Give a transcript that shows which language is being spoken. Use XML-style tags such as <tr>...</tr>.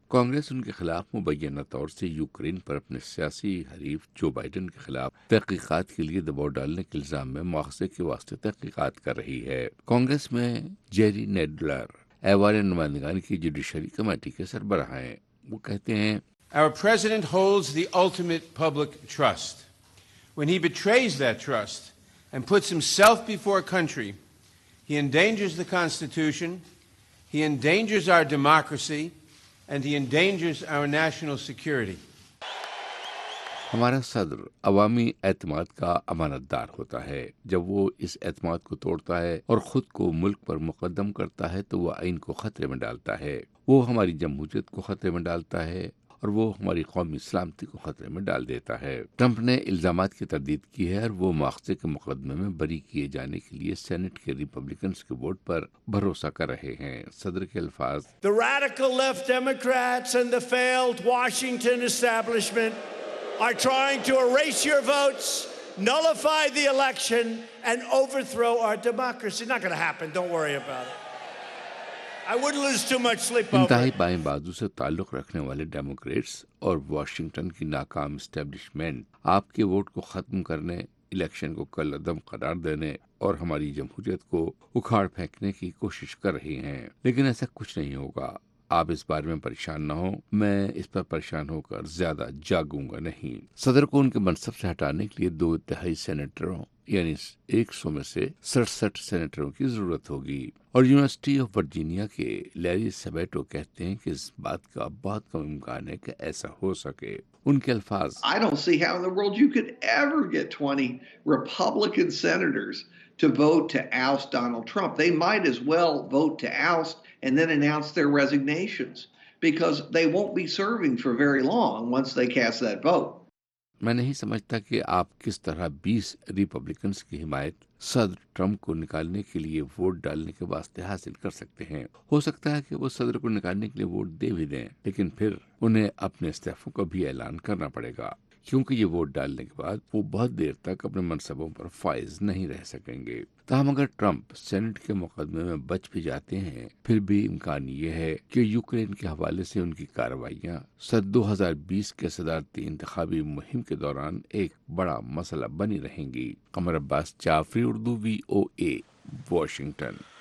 <ur>کانگریس ان کے خلاف مبینہ طور سے یوکرین پر اپنے سیاسی حریف جو بائیڈن کے خلاف تحقیقات کے لیے دباؤ ڈالنے کے الزام میں مواخذے کے واسطے تحقیقات کر رہی ہے. کانگریس میں جیری نیڈلر ایوان نمائندگان کی جوڈیشری کمیٹی کے سربراہ ہیں. وہ کہتے ہیں,</ur> <en>Our president holds the ultimate public trust. When he betrays that trust and puts himself before a country, he endangers the Constitution, he endangers our democracy, and he endangers our national security.</en> <ur>ہمارا صدر عوامی اعتماد کا امانت دار ہوتا ہے. جب وہ اس اعتماد کو توڑتا ہے اور خود کو ملک پر مقدم کرتا ہے تو وہ آئین کو خطرے میں ڈالتا ہے, وہ ہماری جمہوریت کو خطرے میں ڈالتا ہے اور وہ ہماری قومی سلامتی کو خطرے میں ڈال دیتا ہے. ٹرمپ نے الزامات کی تردید کی ہے اور وہ مواخذے کے مقدمے میں بری کیے جانے کے لیے سینٹ کے ریپبلکنز کے ووٹ پر بھروسہ کر رہے ہیں. صدر کے الفاظ,</ur> <en>The radical left Democrats and the failed Washington establishment are trying to erase your votes, nullify the election and overthrow our democracy. It's not going to happen. Don't worry about it. I wouldn't lose too much sleep over.</en> <ur>انتہائی بائیں بازو سے تعلق رکھنے والے democrats اور Washington کی ناکام اسٹیبلشمنٹ آپ کے ووٹ کو ختم کرنے, الیکشن کو کل عدم قرار دینے اور ہماری جمہوریت کو اکھاڑ پھینکنے کی کوشش کر رہی ہیں, لیکن ایسا کچھ نہیں ہوگا. آپ اس بارے میں پریشان نہ ہوں, میں اس پر پریشان ہو کر زیادہ جاگوں گا نہیں. صدر کو ان کے منصب سے ہٹانے کے لیے 2/3 سینیٹروں یعنی 100 میں سے 67 سینیٹروں کی ضرورت ہوگی. اور یونیورسٹی آف ورجینیا کے لیری سبیٹو کہتے ہیں کہ اس بات کا بہت کم امکان ہے کہ ایسا ہو سکے. ان کے الفاظ,</ur> <en>I don't see how in the world you could ever get 20 Republican senators to vote to oust Donald Trump. They might as well vote to oust and then announce their resignations because they won't be serving for very long once they cast that vote.</en> <ur>میں نہیں سمجھتا کہ آپ کس طرح 20 Republicans کی حمایت صدر ٹرمپ کو نکالنے کے لیے ووٹ ڈالنے کے واسطے حاصل کر سکتے ہیں۔ ہو سکتا ہے کہ وہ صدر کو نکالنے کے لیے ووٹ دے بھی دیں، لیکن پھر انہیں اپنے استعفوں کا بھی اعلان کرنا پڑے گا، کیونکہ یہ ووٹ ڈالنے کے بعد وہ بہت دیر تک اپنے منصبوں پر فائز نہیں رہ سکیں گے۔ تاہم اگر ٹرمپ سینٹ کے مقدمے میں بچ بھی جاتے ہیں، پھر بھی امکان یہ ہے کہ یوکرین کے حوالے سے ان کی کاروائیاں سن 2020 کے صدارتی انتخابی مہم کے دوران ایک بڑا مسئلہ بنی رہیں گی۔ قمر عباس جعفری، اردو، VOA، واشنگٹن۔</ur>